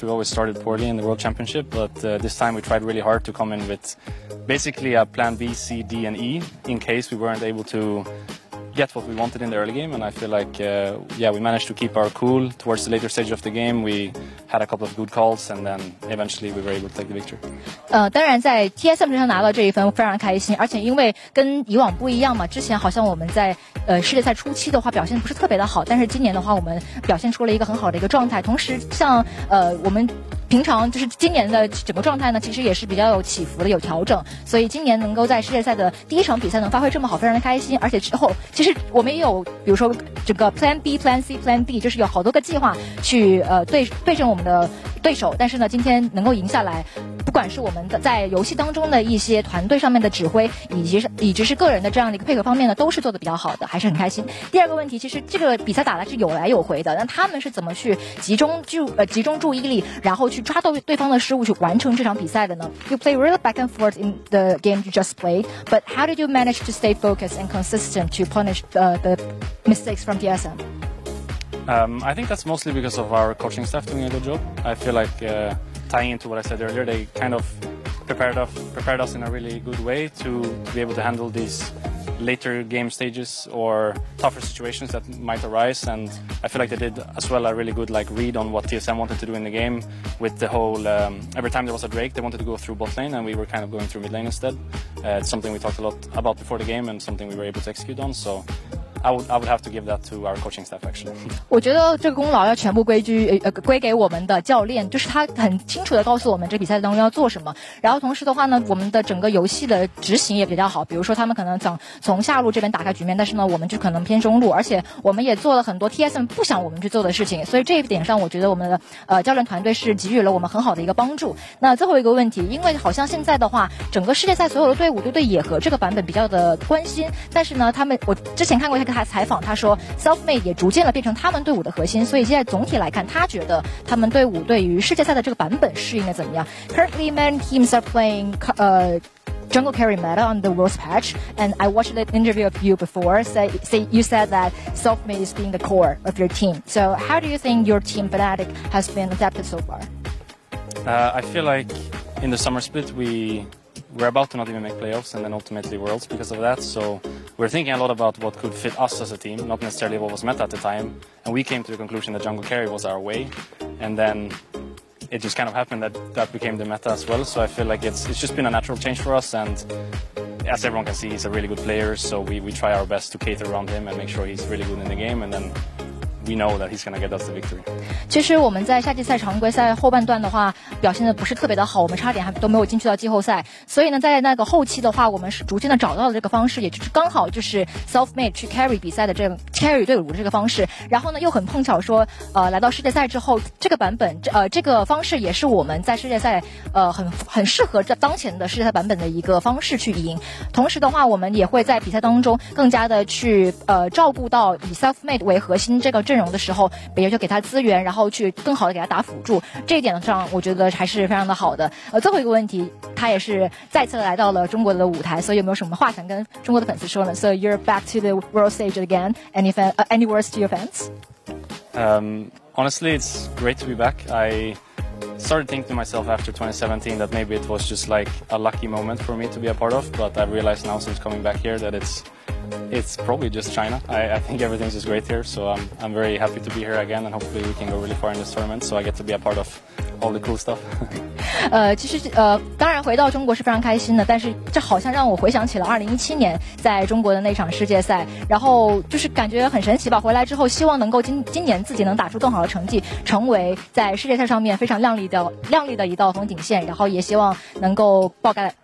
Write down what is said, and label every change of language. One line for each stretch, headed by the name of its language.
English: We always started poorly in the World Championship, but this time we tried really hard to come in with basically a plan B, C, D, and E in case we weren't able to get what we wanted in the early game. And I feel like, we managed to keep our cool towards the later stage of the game. We had a couple of good calls, and then eventually we were able to take the victory.
Chinese: 当然在 TSM 身上拿到这一分非常开心，而且因为跟以往不一样嘛，之前好像我们在世界赛初期的话表现不是特别的好，但是今年的话我们表现出了一个很好的一个状态，同时像我们平常就是今年的整个状态呢，其实也是比较有起伏的，有调整，所以今年能够在世界赛的第一场比赛能发挥这么好，非常的开心。而且之后其实我们也有比如说整个 Plan B Plan C Plan D， 就是有好多个计划去对阵我们的对手，但是呢今天能够赢下来，不管是我们的在游戏当中的一些团队上面的指挥，以及是个人的这样的一个配合方面呢，都是做得比较好的，还是很开心。第二个问题，其实这个比赛打的是有来有回的，那他们是怎么去集中注意力，然后去抓到对方的失误去完成这场比赛的呢？
English: You play really back and forth in the game you just played, but how did you manage to stay focused and consistent to punish the mistakes from DSM? I think that's mostly because of our coaching staff doing a good job. I feel like tying into what I said earlier, they kind of prepared us in a really good way to be able to handle these later game stages or tougher situations that might arise. And I feel like they did as well a really good like read on what TSM wanted to do in the game with the whole, every time there was a Drake, they wanted to go through bot lane and we were kind of going through mid lane instead. It's something we talked a lot about before the game and something we were able to execute on. So. I would have to give that to our coaching staff, actually.
Chinese: 我觉得这个功劳要全部归给我们的教练，就是他很清楚地告诉我们这比赛当中要做什么。然后同时的话呢，我们的整个游戏的执行也比较好。比如说他们可能想从下路这边打开局面，但是呢，我们就可能偏中路，而且我们也做了很多 TSM 不想我们去做的事情。所以这一点上，我觉得我们的教练团队是给予了我们很好的一个帮助。那最后一个问题，因为好像现在的话，整个世界赛所有的队伍都对野核这个版本比较的关心，但是呢，我之前看过一个。他采访他说 Selfmade 也逐渐的变成他们队伍的核心，所以现在总体来看，他觉得他们队伍对于世界赛的这个版本适应的怎么样。
English: Currently many teams are playing jungle carry meta on the world's patch, and I watched an interview of you before, say you said that Selfmade is being the core of your team, so how do you think your team Fnatic has been adapted so far? I feel like in the summer split we're about to not even make playoffs and then ultimately worlds because of that, so we're thinking a lot about what could fit us as a team, not necessarily what was meta at the time, and we came to the conclusion that jungle carry was our way, and then it just kind of happened that became the meta as well. So I feel like it's just been a natural change for us, and as everyone can see, he's a really good player, so we try our best to cater around him and make sure he's really good in the game, and then we know that he's gonna get us the victory.
Chinese: 其实我们在夏季赛常规赛后半段的话表现的不是特别的好，我们差点还都没有进去到季后赛，所以呢在那个后期的话我们是逐渐的找到了这个方式，也就是刚好就是 Selfmade 去 carry 比赛的这个 carry 队伍的这个方式，然后呢又很碰巧说来到世界赛之后这个版本这个方式也是我们在世界赛很适合这当前的世界赛版本的一个方式去赢。同时的话我们也会在比赛当中更加的去照顾到以 Selfmade 为核心这个阵容的时候，比如就给他资源，然后去更好的给他打辅助，这一点上我觉得还是非常的好的。最后一个问题，他也是再次来到了中国的舞台，所以有没有什么话想跟中国的粉丝说呢？
English: So you're back to the world stage again. Any words to your fans? Honestly, it's great to be back. I started thinking to myself after 2017 that maybe it was just like a lucky moment for me to be a part of, but I realized now since coming back here that it's probably just China. I think everything's just great here, so I'm very happy to be here again, and hopefully we can go really far in this tournament, so I get to be a part of all the cool stuff.
Chinese: 其实当然回到中国是非常开心的，但是这好像让我回想起了2017年在中国的那场世界赛，然后就是感觉很神奇吧。回来之后，希望能够今年自己能打出更好的成绩，成为在世界赛上面非常亮丽的一道风景线，然后也希望能够爆盖。